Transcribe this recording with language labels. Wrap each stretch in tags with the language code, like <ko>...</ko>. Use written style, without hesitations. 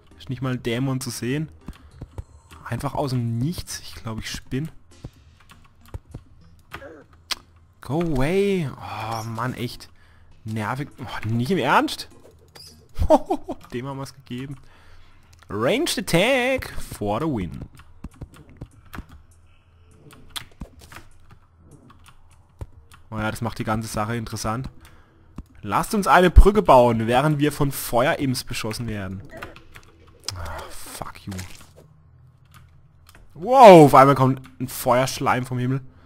<de>Ist nicht mal ein Dämon zu sehen. Einfach aus dem Nichts. Ich glaube, ich spinne.</de> <en>Go away.</en> <de>Oh, Mann, echt. Nervig. Oh, nicht im Ernst? Dem haben wir es gegeben.</de> <en>Ranged Attack for the win.</en> <de>Oh ja, das macht die ganze Sache interessant. Lasst uns eine Brücke bauen, während wir von Feuerimps beschossen werden. Ach,</de> <en>fuck you.</en> <de>Wow, auf einmal kommt ein Feuerschleim vom Himmel.</de>